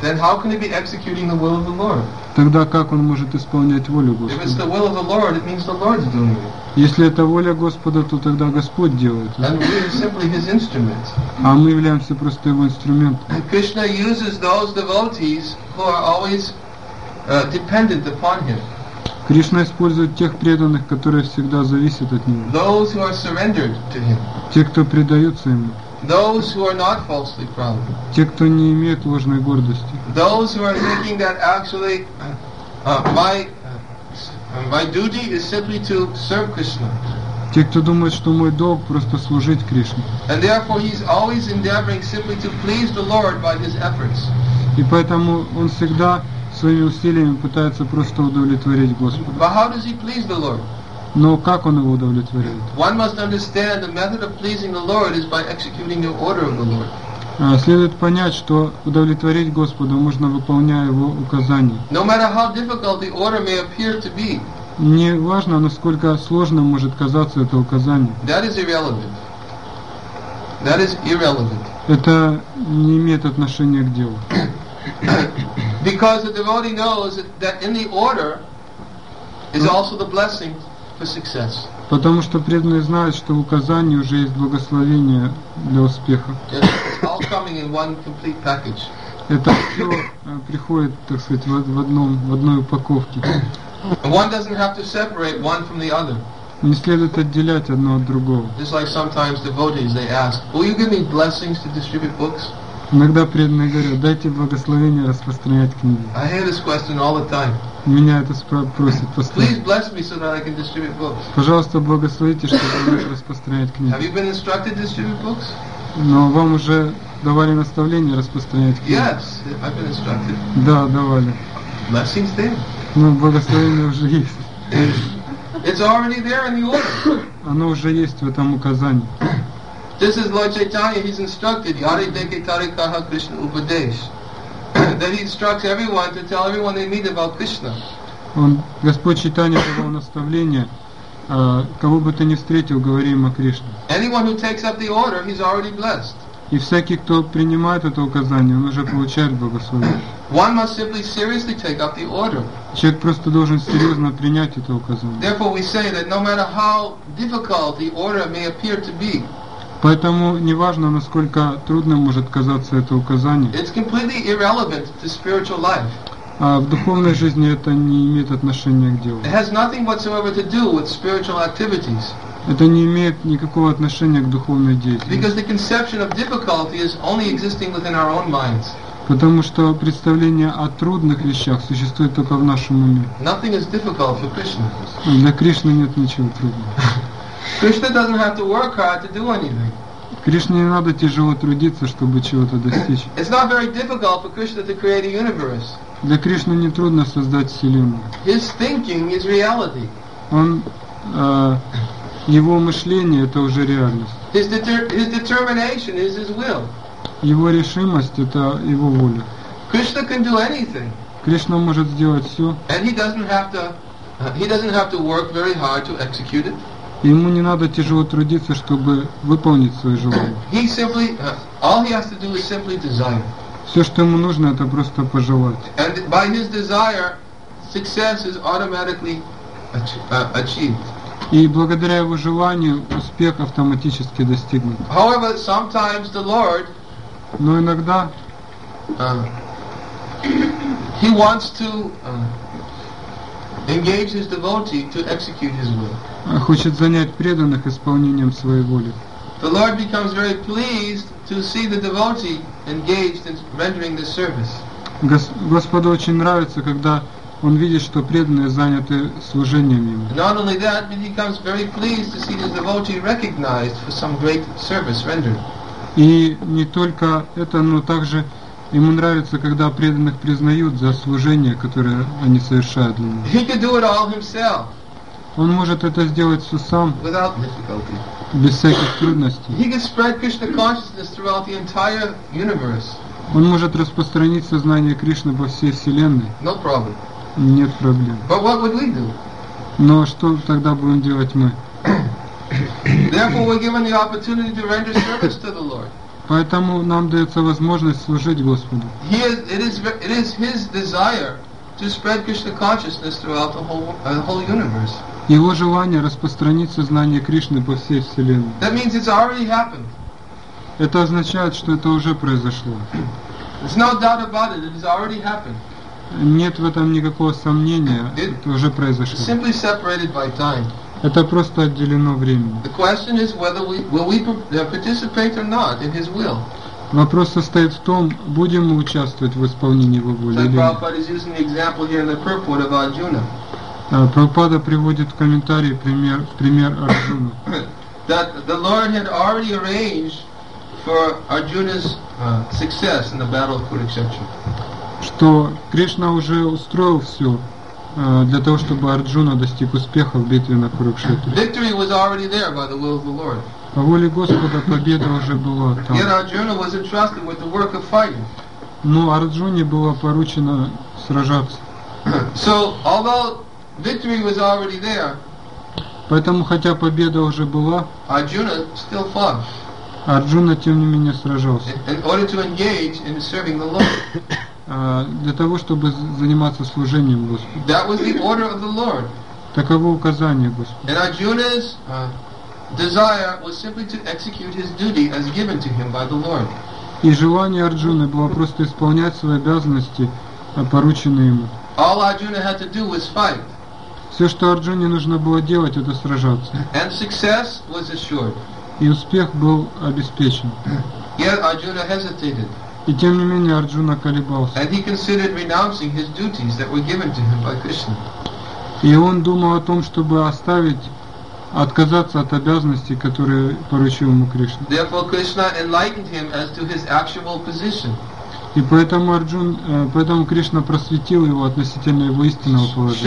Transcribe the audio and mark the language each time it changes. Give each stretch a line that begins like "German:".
English: Then how can he be executing the will of the Lord?
Russian: Тогда как он может исполнять волю Господа?
English: If it's the will of the Lord, it means the Lord's doing it.
Russian: Если это воля Господа, то тогда Господь делает.
English: And we are simply his instrument.
Russian: А мы являемся просто его инструментом.
English: And Krishna uses those devotees who are always dependent upon him.
Russian: Кришна использует тех преданных, которые всегда зависят от него.
English: Those who are surrendered to him.
Russian: Те, кто предаются ему.
English: Those who are not falsely proud.
Russian: Те, кто не имеет ложной гордости.
English: Those who are thinking that actually my duty is simply to serve Krishna.
Russian: Те, кто думает, что мой долг просто служить Кришне.
English: And therefore he is always endeavoring simply to please the Lord by his efforts.
Russian: И поэтому он всегда своими усилиями пытается просто удовлетворить Господа.
English: But how does he please the Lord?
Russian: Но как он его удовлетворяет?
English: One must understand the method of pleasing the Lord is by executing the order of the Lord.
Russian: Следует понять, что удовлетворить Господа можно, выполняя его указания.
English: No matter how difficult the order may appear to be.
Russian: Не важно, насколько сложным может казаться это указание.
English: That is irrelevant. That is irrelevant.
Russian: Это не имеет отношения к делу.
English: Because the devotee knows that in the order is also the blessing.
Russian: Потому что преданный знает, что в указании уже есть благословение для успеха. Это все приходит, так сказать, в одной упаковке.
English: One doesn't have to separate one from the other.
Russian: Не следует отделять одно от другого.
English: Just like sometimes devotees, they ask, "Will you give me blessings to distribute books?"
Russian: Иногда преданные говорят, дайте благословение распространять книги.
English: I hear this question all the time.
Russian: Меня это просят постоянно.
English: Please bless me so that I can distribute books.
Russian: Пожалуйста, благословите, чтобы я мог распространять книги.
English: Have you been instructed to distribute books?
Russian: Но вам уже давали наставление распространять книги.
English: Yes, I've been instructed.
Russian: Да, давали.
English: Blessings there?
Russian: Ну, благословение уже есть.
English: It's already there in the order.
Russian: Оно уже есть в этом указании.
English: This is Lord Chaitanya, he's instructed,
Bangla: Yare Deke Tare Kaha Krishna Upadesh.
English: That he instructs everyone to tell everyone they meet about Krishna.
Russian: Он, Господь Чайтанья давал наставление, кого бы ты ни встретил, говори им о Кришне.
English: Anyone who takes up the order, he's already blessed.
Russian: И всякий, кто принимает это указание, он уже получает благословение.
English: One must simply seriously take up the order.
Russian: Человек просто должен серьезно принять это указание.
English: Therefore we say that no matter how difficult the order may appear to be,
Russian: поэтому неважно, насколько трудным может казаться это указание.
English: It's completely irrelevant to spiritual life.
Russian: А в духовной жизни это не имеет отношения к делу.
English: It has nothing whatsoever to do with spiritual activities.
Russian: Это не имеет никакого отношения к духовной деятельности.
English: Because the conception of difficulty is only existing within our own minds.
Russian: Потому что представление о трудных вещах существует только в нашем уме.
English: Nothing is difficult for Krishna.
Russian: Для Кришны нет ничего трудного.
English: Krishna doesn't have to work hard to do anything.
Russian: Кришне не надо тяжело трудиться, чтобы чего-то достичь.
English: It's not very difficult for Krishna to create a universe.
Russian: Для Кришны не трудно создать вселенную.
English: His thinking is reality.
Russian: Он его мышление это уже реальность.
English: His determination is his will.
Russian: Его решимость это его воля.
English: Krishna can do anything.
Russian: Кришна может сделать все.
English: And he doesn't have to work very hard to execute it.
Russian: Ему не надо тяжело трудиться, чтобы выполнить свои желания.
English: He simply, all he has to do is simply desire.
Russian: Все, что ему нужно, это просто пожелать.
English: And by his desire, success is automatically achieved.
Russian: И благодаря его желанию успех автоматически достигнут.
English: However, sometimes the Lord,
Russian: но иногда,
English: he wants to engage his devotee to execute his will.
Russian: Хочет занять преданных исполнением своей воли.
English: The Lord becomes very pleased to see the devotee engaged in rendering this service.
Russian: Господу очень нравится, когда Он видит, что преданные заняты служением Ему.
English: And not only that, but He comes very pleased to see His devotee recognized for some great service rendered.
Russian: И не только это, но также Ему нравится, когда преданных признают за служение, которое они совершают для Него.
English: He can do it all himself.
Russian: Он может это сделать все сам.
English: Without difficulty.
Russian: Без всяких трудностей.
English: He can spread Krishna consciousness throughout the entire universe.
Russian: Он может распространить сознание Кришны по всей вселенной.
English: No problem.
Russian: Нет проблем.
English: But what would we do?
Russian: Но что тогда будем делать мы?
English: Therefore, we're given the opportunity to render service to the Lord.
Russian: Поэтому нам дается возможность служить Господу.
English: It is His desire to spread Krishna consciousness throughout the whole universe.
Russian: Его желание распространить сознание Кришны по всей вселенной.
English: That means it's already happened.
Russian: Это означает, что это уже произошло.
English: There's no doubt about it. It has already happened.
Russian: Нет в этом никакого сомнения. Это уже произошло.
English: Simply separated by time.
Russian: Это просто отделено временем.
English: The question is whether will we participate or not in His will.
Russian: Вопрос состоит в том, будем мы участвовать в исполнении Его воли или нет.
English: Prabhupada is using the example here in the purport of Arjuna.
Russian: Прабхупада приводит в комментарии пример Арджуны.
English: That the Lord had already arranged for Arjuna's success in the battle of Kurukshetra.
Russian: Что Кришна уже устроил все для того, чтобы Арджуна достиг успеха в битве на Курукшетре.
English: Victory was already there by the will of the Lord.
Russian: По воле Господа победа уже была там.
English: Yet Arjuna was entrusted with the work of fighting.
Russian: Но Арджуне было поручено сражаться.
English: So although victory was already there.
Russian: Поэтому хотя победа уже была.
English: Arjuna still fought.
Russian: Арджуна тем не менее сражался.
English: In order to engage in serving the Lord.
Russian: Для того, чтобы заниматься служением Господу.
English: That was the order of the Lord.
Russian: Таково указание Господа.
English: And Arjuna's desire was simply to execute his duty as given to him by the Lord.
Russian: И желание Арджуны было просто исполнять свои обязанности, порученные ему.
English: All Arjuna had to do was fight.
Russian: Все, что Арджуне нужно было делать, это сражаться.
English: And success was assured.
Russian: И успех был обеспечен.
English: Yet Arjuna hesitated.
Russian: И тем не менее Арджуна колебался.
English: And he considered renouncing his duties that were given to him by Krishna.
Russian: И он думал о том, чтобы отказаться от обязанностей, которые поручил ему Кришна.
English: Therefore, Krishna enlightened him as to his actual position.
Russian: И поэтому Кришна просветил его относительно его истинного положения.